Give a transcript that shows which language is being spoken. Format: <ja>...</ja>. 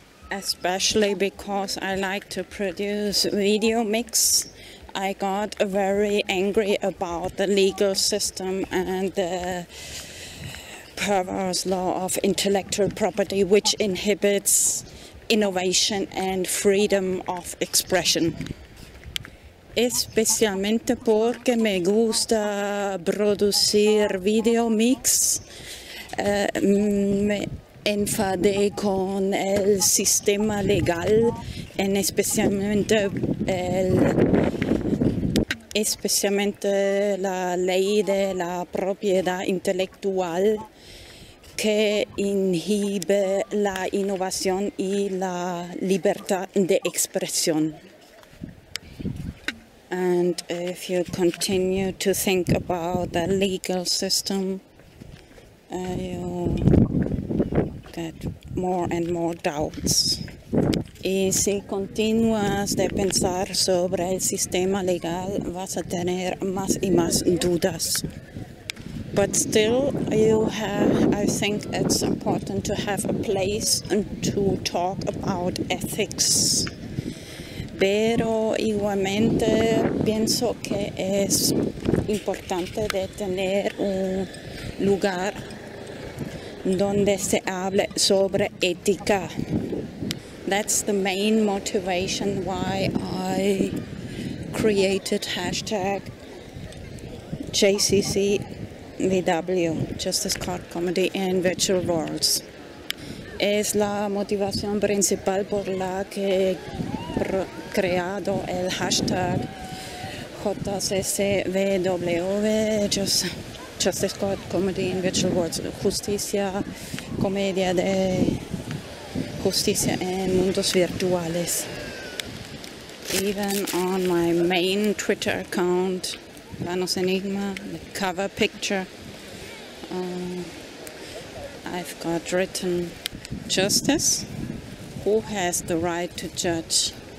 <en>Especially because I like to produce video mix, I got very angry about the legal system and the perverse law of intellectual property, which inhibits innovation and freedom of expression.</en> <es>Especialmente porque me gusta producir video mix, me enfadé con el sistema legal, en especialmente la ley de la propiedad intelectual que inhibe la innovación y la libertad de expresión.</es> <en>And if you continue to think about the legal system, you get more and more doubts.</en> <es>Y si continúas de pensar sobre el sistema legal, vas a tener más y más dudas.</es> <en>But still, I think it's important to have a place to talk about ethics.</en> <es>Pero igualmente pienso que es importante de tener un lugar donde se hable sobre ética.</es> <en>That's the main motivation why I created hashtag JCCVW, Justice Court Comedy in Virtual Worlds.</en> <es>Es la motivación principal por la que creado el hashtag JCCVW, Justice Court Comedy in Virtual Worlds, Justicia, Comedia de Justicia en Mundos Virtuales.</es> <en>Even on my main Twitter account, Vanos Enigma, the cover picture, I've got written Justice, who has the right to judge?</en>